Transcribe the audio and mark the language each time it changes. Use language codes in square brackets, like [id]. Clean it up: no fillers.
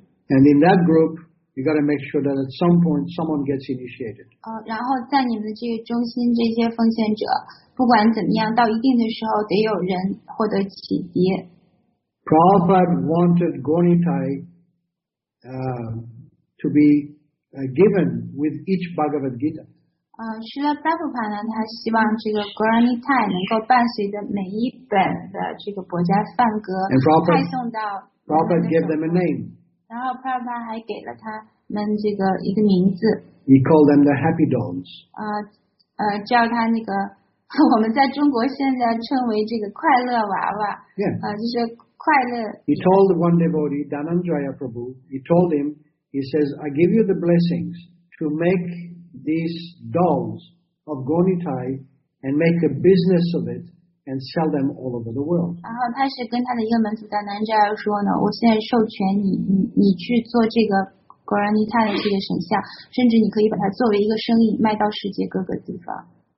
[en] And in that group, you got to make sure that at some point someone gets initiated. [zh] 然后在你们的这个中心，这些奉献者。不管怎么样，到一定的时候得有人获得启迪。 [en] Prabhupada wanted Gauranitai to be given with each Bhagavad Gita. [zh] Srila Prabhupada 呢，他希望这个 Gauranitai 能够伴随着每一本的这个博家梵歌，派送到。 [en] Prabhupada gave them a name. [zh] 然后 Prabhupada 还给了他们这个一个名字。 [en] He called them the Happy Dolls. [zh] 叫他那个。我们在中国现在称为这个快乐娃娃 [en] yeah. [zh] 就是快乐 [en] He told one devotee, Dhananjaya Prabhu, he told him, he says, I give you the blessings to make these dolls of Gauranitai and make a business of it and sell them all over the world. [zh] 然后他是跟他的一个门徒 Dhananjaya 说呢，我现在授权你去做这个 Gauranitai 的这个神像，甚至你可以把它作为一个生意卖到世界各个地方。